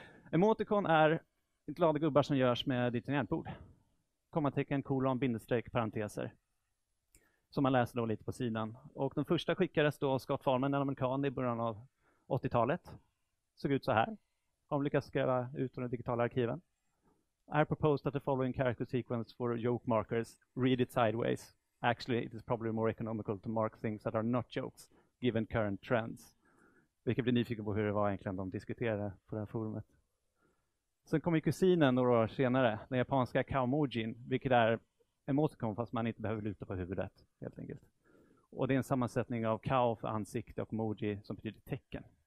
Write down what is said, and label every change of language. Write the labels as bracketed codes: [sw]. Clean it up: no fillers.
[sv] Emoticon är glada gubbar som görs med ditt tangentbord. Kommatecken, kolon, bindestreck, parenteser. Som man läser då lite på sidan. Och den första skickades då av Scott Farman, en amerikan i början av 80-talet. Såg ut så här. Har de lyckats skriva ut de digitala arkiven. [en] "I proposed that the following character sequence for joke markers, read it sideways. Actually, it is probably more economical to mark things that are not jokes, given current trends." [sv] Vilket blir nyfiken på hur det var egentligen de diskuterade på det här forumet. Sen kommer kusinen några år senare, den japanska kaomojin, vilket är emoticon fast man inte behöver luta på huvudet, helt enkelt. Och det är en sammansättning av kao för ansikte och moji som betyder tecken.